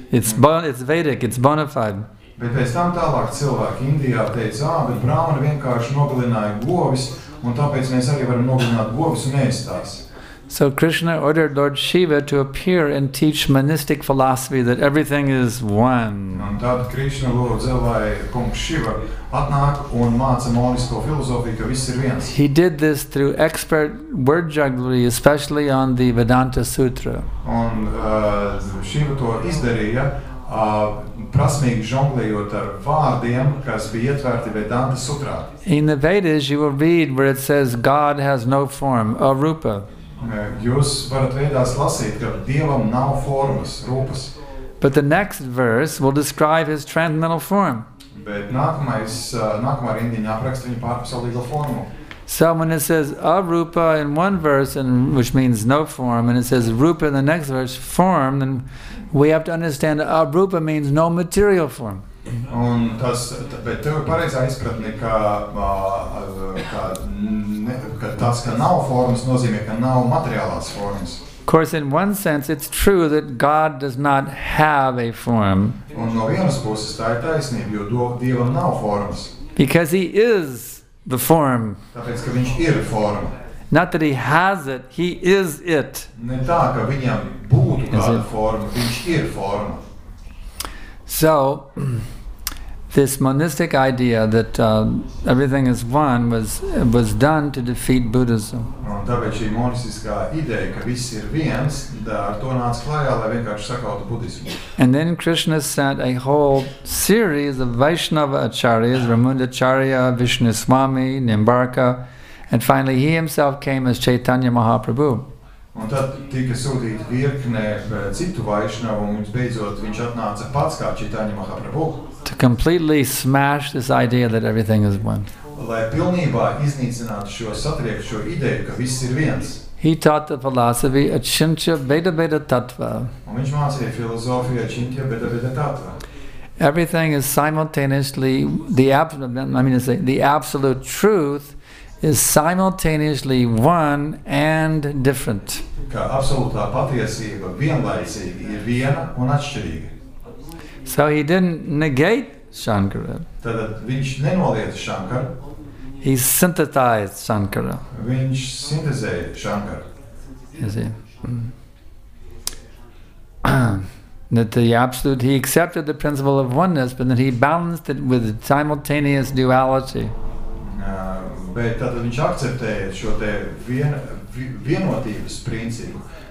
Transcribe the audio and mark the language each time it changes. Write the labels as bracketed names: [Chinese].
[English] It's Vedic, it's bona fide. [Latvian] Bet pēc tam tālāk cilvēki Indijā teica, bet Brahmani vienkārši nogalināja govis, un tāpēc mēs arī varam nogalināt govis un ēst tās. [English] So Krishna ordered Lord Shiva to appear and teach monistic philosophy that everything is one. [Latvian] Un tad Krishna lūdza, lai kungs Shiva atnāk un māca monisko filozofiju, ka viss ir viens. [English] He did this through expert word jugglery, especially on the Vedanta Sutra. [Latvian] Un Shiva to izdarīja, prasmīgi žonglējot ar vārdiem, kas bija ietvērti Vedanta Sutrā. [English] In the Vedas you will read where it says God has no form, arūpa. [Latvian] Jūs varat Vēdās lasīt, ka Dievam nav formas, rūpas. [English] But the next verse will describe his transcendental form. [Latvian] Bet nākamā rindiņa apraksta viņa pārpasaulīgo formu. [English] So when it says arūpa in one verse, and which means no form, and it says rūpa in the next verse, form, then we have to understand arūpa means no material form. [Latvian] Un tas, bet tev ir pareizā izpratne, ka tas, ka nav formas, nozīmē, ka nav materiālās formas. [English] Of course, in one sense, it's true that God does not have a form. [Latvian] Un no vienas puses tā ir taisnība, jo Dievam nav formas. [English] Because he is the form. [Latvian] Tāpēc, ka viņš ir forma. [English] Not that he has it, he is it. [Latvian] Ne tā, ka viņam būtu kāda forma, viņš ir forma. [English] So, this monistic idea that everything is one was done to defeat Buddhism. [Latvian] Un tāpēc šī monistiskā ideja, ka viss ir viens, da ar to nāc klājā, lai vienkārši sakautu budismu. [English] And then Krishna sent a whole series of Vaishnava acharyas, Ramundacharya, Vishnuswami, Nimbarka, and finally he himself came as Chaitanya Mahaprabhu. [Latvian] Un tad tika sūtīt virknē citu Vaishnavu, un viņš beidzot viņš atnāca pats kā Chaitanya Mahaprabhu. [English] To completely smash this idea that everything is one. [Latvian] Lai pilnībā iznīcinātu šo satriekšo ideju, ka viss ir viens. [English] He taught the philosophy Achintya Bheda Bheda Tattva. [Latvian] Un viņš mācīja filozofiju Achintya Bheda Bheda Tattva. [English] Everything is simultaneously the absolute truth is simultaneously one and different. [Latvian] Ka absolūtā patiesība vienlaicīgi ir viena un atšķirīga. [English] So he didn't negate Shankara. [Latvian] Tātad viņš nenoliet Shankara. [English] He synthesized Shankara. [Latvian] Viņš sintezēja Shankara. [English] You see? That the absolute, he accepted the principle of oneness, but then he balanced it with simultaneous duality. [Latvian] Bet tātad viņš akceptēja šo te vienotības principu.